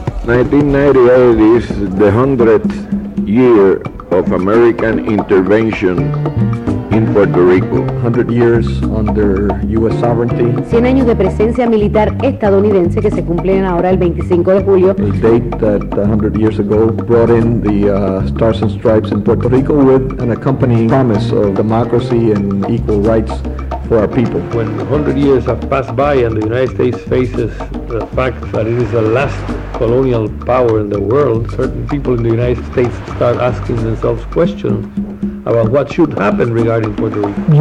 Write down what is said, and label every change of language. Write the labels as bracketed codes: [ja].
[en] 1998 is the 100th year of American intervention in Puerto Rico. 100 years under U.S. sovereignty. [es] 100 años de presencia militar estadounidense que se cumplen ahora el 25 de julio. [en] A date that 100 years ago brought in the Stars and Stripes in Puerto Rico with an accompanying promise of democracy and equal rights for our people. When 100 years have passed by and the United States faces the fact that it is the last colonial power in the world, certain people in the United States start asking themselves questions about what should happen regarding Puerto Rico.